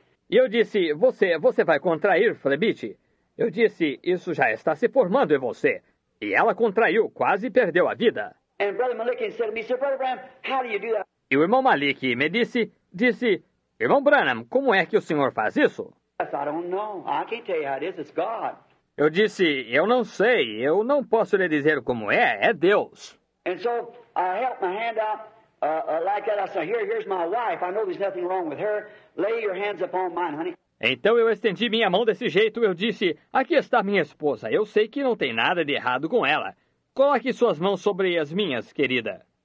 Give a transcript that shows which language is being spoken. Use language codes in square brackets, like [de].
[pt] E eu disse, você vai contrair flebite? Eu disse, isso já está se formando em você. E ela contraiu, quase perdeu a vida. [en] And Brother Malik said to me, "Sir, Brother Branham, how do you do that?" [pt] E o irmão Malik me disse, irmão Branham, como é que o senhor faz isso? [en] Yes, I don't know. I can't tell you how it is. It's God. [pt] Eu disse, eu não sei. Eu não posso lhe dizer como é. É Deus. [en] And so I held my hand up like that. I said, "Here's my wife. I know there's nothing wrong with her. Lay your hands upon mine, honey." [pt] Então eu estendi minha mão desse jeito. Eu disse, aqui está minha esposa. Eu sei que não tem nada de errado com ela. Coloque suas mãos sobre as minhas, querida.